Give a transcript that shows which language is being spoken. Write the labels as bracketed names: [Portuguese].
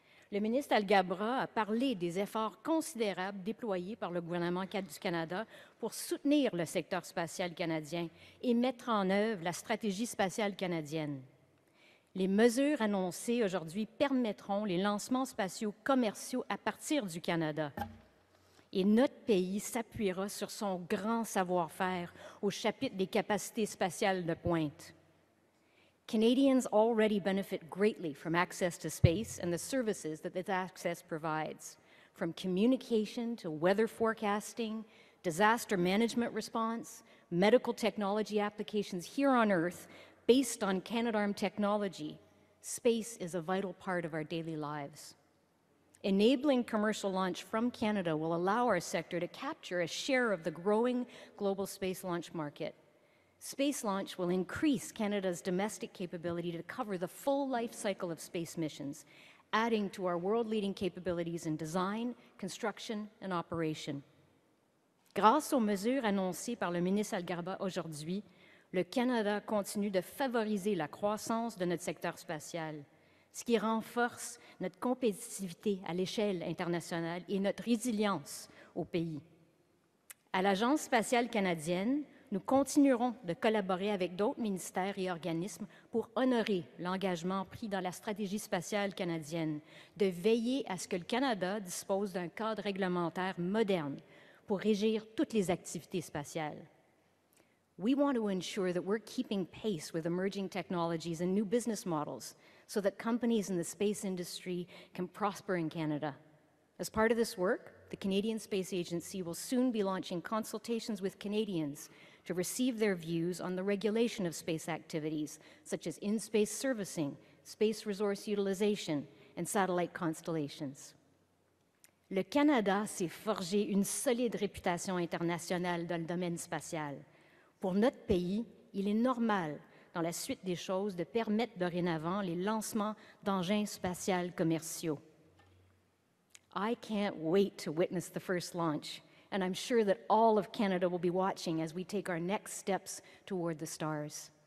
[French] Le ministre Algebra a parlé des efforts considérables déployés par le gouvernement du Canada pour soutenir le secteur spatial canadien et mettre en œuvre la stratégie spatiale canadienne. Les mesures annoncées aujourd'hui permettront les lancements spatiaux commerciaux à partir du Canada. Et notre pays s'appuiera sur son grand savoir-faire au chapitre des capacités spatiales de pointe. [English] Canadians already benefit greatly from access to space and the services that this access provides, from communication to weather forecasting, disaster management response, medical technology applications here on Earth, based on Canadarm technology. Space is a vital part of our daily lives. Enabling commercial launch from Canada will allow our sector to capture a share of the growing global space launch market. Space launch will increase Canada's domestic capability to cover the full life cycle of space missions, adding to our world-leading capabilities in design, construction, and operation. [French] Grâce aux mesures annoncées par le ministre Algebra aujourd'hui, le Canada continue de favoriser la croissance de notre secteur spatial, ce qui renforce notre compétitivité à l'échelle internationale et notre résilience au pays. À l'Agence spatiale canadienne, nous continuerons de collaborer avec d'autres ministères et organismes pour honorer l'engagement pris dans la stratégie spatiale canadienne, de veiller à ce que le Canada dispose d'un cadre réglementaire moderne pour régir toutes les activités spatiales. [English] We want to ensure that we're keeping pace with emerging technologies and new business models so that companies in the space industry can prosper in Canada. As part of this work, the Canadian Space Agency will soon be launching consultations with Canadians to receive their views on the regulation of space activities, such as in-space servicing, space resource utilization, and satellite constellations. [French] Le Canada s'est forgé une solide réputation internationale dans le domaine spatial. Pour notre pays, il est normal, dans la suite des choses, de permettre dorénavant les lancements d'engins spatiaux commerciaux. [English] I can't wait to witness the first launch, and I'm sure that all of Canada will be watching as we take our next steps toward the stars.